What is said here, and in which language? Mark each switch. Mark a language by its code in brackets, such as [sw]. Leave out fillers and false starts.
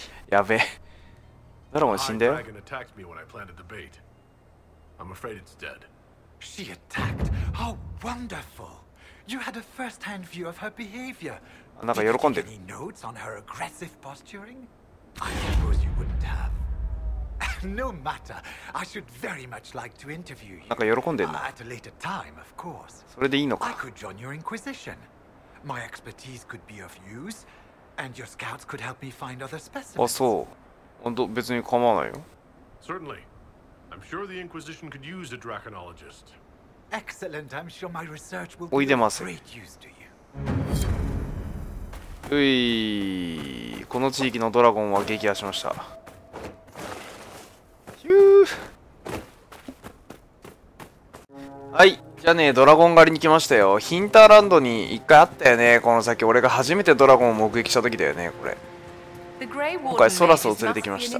[ja] やべえ、ドラゴン死んだよ。 [en] ドラゴン attacked me when I planted the bait. I'm afraid it's dead. She attacked. How wonderful! You had a first-hand view of her behavior. [ja] なんか喜んでる。 [en] Did you take any notes on her aggressive posturing? I suppose you wouldn't have. No matter. I should very much like to interview you. [ja] なんか喜んでるな。 [en] At a later time, of course. [ja] それでいいのか。 [en] I could join your inquisition. My expertise could be of use. And your scouts could help me find other specimens. [ja] あ、そう。本当、別に構わないよ。 [en] Certainly. I'm sure the Inquisition could use a draconologist. Excellent. I'm sure my research will be of great use to you. [ja] うい。この地域のドラゴンは撃破しました。ヒュー。はい。じゃあね、ドラゴン狩りに来ましたよ。ヒンターランドに一回あったよね、この先。俺が初めてドラゴンを目撃した時だよね、これ。今回ソラスを連れてきました。